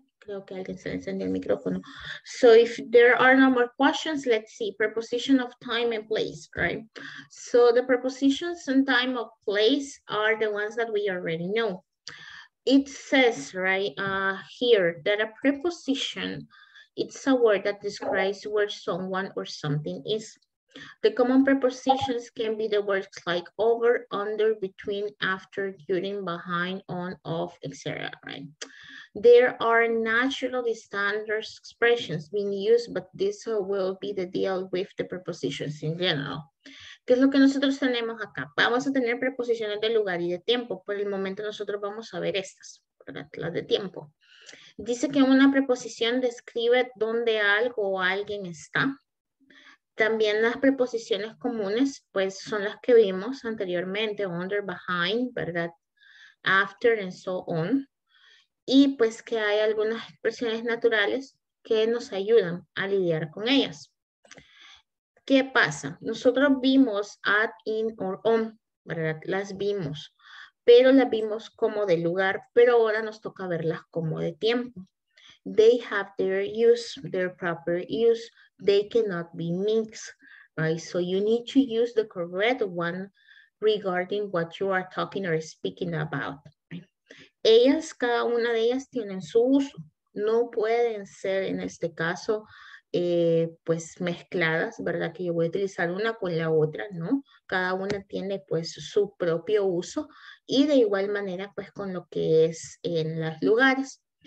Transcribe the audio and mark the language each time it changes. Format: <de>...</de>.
<es>Creo que alguien se le encendió el micrófono.</es> <en>So if there are no more questions, let's see. Preposition of time and place, right? So the prepositions and time of place are the ones that we already know. It says right here that a preposition, it's a word that describes where someone or something is. The common prepositions can be the words like over, under, between, after, during, behind, on, off, etc. Right? There are naturally standard expressions being used, but this will be the deal with the prepositions in general.</en> <es>¿Qué es lo que nosotros tenemos acá? Vamos a tener preposiciones de lugar y de tiempo. Por el momento nosotros vamos a ver estas, ¿verdad? Las de tiempo. Dice que una preposición describe dónde algo o alguien está. También las preposiciones comunes, pues son las que vimos anteriormente, under, behind, ¿verdad?</es> <en>After and so on.</en> <es>Y pues que hay algunas expresiones naturales que nos ayudan a lidiar con ellas. ¿Qué pasa? Nosotros vimos at, in, or on, ¿verdad? Las vimos, pero las vimos como de lugar, pero ahora nos toca verlas como de tiempo.</es> <en>They have their use, their proper use. They cannot be mixed, right? So you need to use the correct one regarding what you are talking or speaking about. Right?</en> <es>Ellas, cada una de ellas tienen su uso. No pueden ser en este caso pues mezcladas, ¿verdad? Que yo voy a utilizar una con la otra, ¿no? Cada una tiene pues su propio uso y de igual manera pues con lo que es en los lugares.</es>